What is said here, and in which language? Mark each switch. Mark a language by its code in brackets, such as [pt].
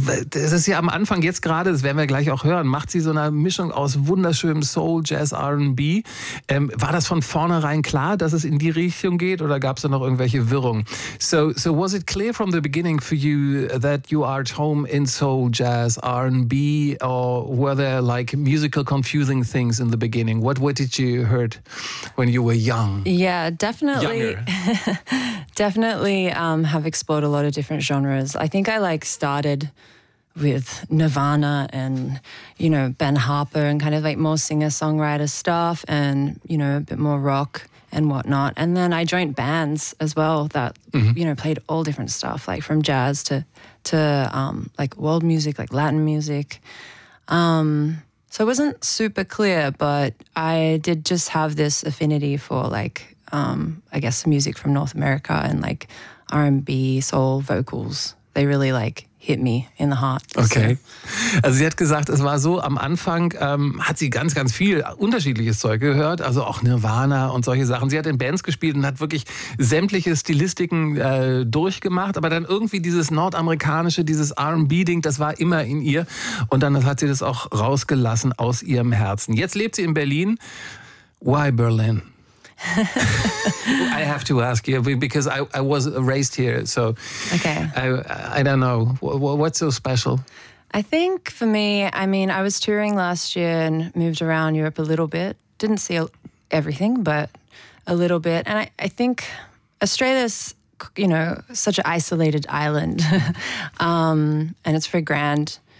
[de] Das ist ja am Anfang jetzt gerade, das werden wir gleich auch hören, macht sie so eine Mischung aus wunderschönem Soul, Jazz, R&B. War das von vornherein klar, dass es in die Richtung geht oder gab es da noch irgendwelche Wirrungen? [en] So was it clear from the beginning for you that you are at home in Soul, Jazz, R&B, or were there like musical confusing things in the beginning? What did you heard when you were young? Yeah, definitely. Definitely have explored a lot of different genres. I think I like started with Nirvana and, you know, Ben Harper and kind of like more singer-songwriter stuff and, you know, a bit more rock and whatnot. And then I joined bands as well that, mm-hmm. you know, played all different stuff, like from jazz to like world music, like Latin music. So it wasn't super clear, but I did just have this affinity for like, I guess music from North America and like R&B, soul, vocals. They really like hit me in the heart. Okay. [de] Also sie hat gesagt, es war so, am Anfang hat sie ganz, ganz viel unterschiedliches Zeug gehört, also auch Nirvana und solche Sachen. Sie hat in Bands gespielt und hat wirklich sämtliche Stilistiken durchgemacht, aber dann irgendwie dieses Nordamerikanische, dieses R&B-Ding, das war immer in ihr und dann hat sie das auch rausgelassen aus ihrem Herzen. Jetzt lebt sie in Berlin. [en] Why Berlin? I have to ask you because I was raised here, so okay. I don't know what's so special. I think for me, I mean, I was touring last year and moved around Europe a little bit. Didn't see everything, but a little bit. And I think Australia's, you know, such an isolated island, and it's very grand.